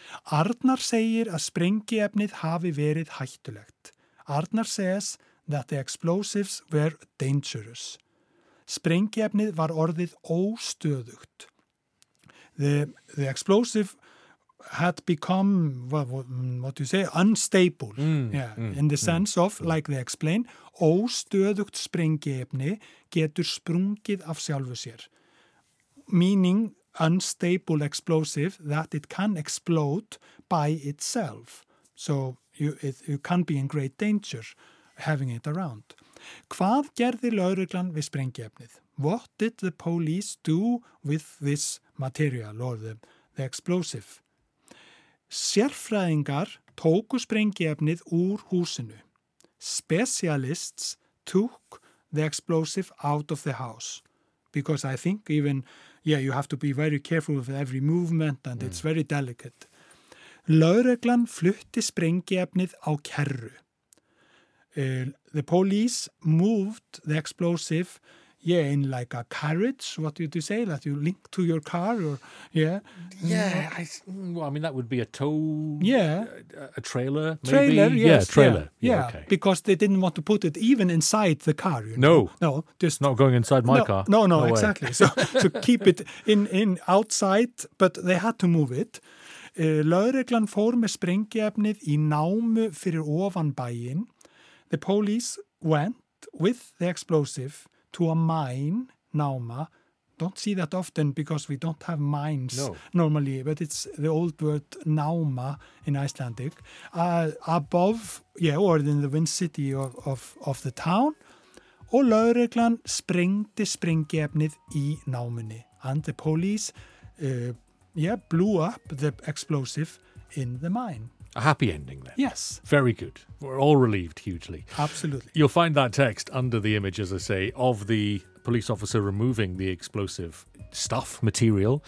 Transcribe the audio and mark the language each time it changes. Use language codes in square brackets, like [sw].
[is] Arnar segir að sprengiefnið hafi verið hættulegt. [en] Arnar says that the explosives were dangerous. [is] Sprengiefnið var orðið óstöðugt. [en] The explosive had become, unstable, in the sense of, like they explain, [is] óstöðugt sprengiefni getur sprungið af sjálfu sér. [en] Meaning, unstable explosive, that it can explode by itself. So you can be in great danger having it around. [is] Hvað gerði lögreglan við sprengiefnið? [en] What did the police do with this material or the explosive? [is] Sérfræðingar tóku sprengiefnið úr húsinu. [en] Specialists took the explosive out of the house. Because I think even, yeah, you have to be very careful with every movement and it's very delicate. [is] Lögreglan flutti sprengiefnið á kerru. [en] The police moved the explosive, yeah, in like a carriage. What did you say? That you link to your car, or Well, I mean that would be a tow. Yeah, a trailer. Maybe? Trailer, yes. Yeah, trailer. Yeah. Okay. Because they didn't want to put it even inside the car. You know? No, no, just not going inside my car. No, exactly. So to keep it in outside, but they had to move it. [is] Lögreglan fór með sprengiefnið í námu fyrir ofan bæinn. [en] The police went with the explosive to a mine, Náma. Don't see that often because we don't have mines normally, but it's the old word Náma in Icelandic. Or in the wind city of the town. [is] Og lögreglan sprengdi sprengiefnið í Námunni. [en] And the police blew up the explosive in the mine. A happy ending then. Yes. Very good. We're all relieved hugely. Absolutely. You'll find that text under the image, as I say, of the police officer removing the explosive stuff, material.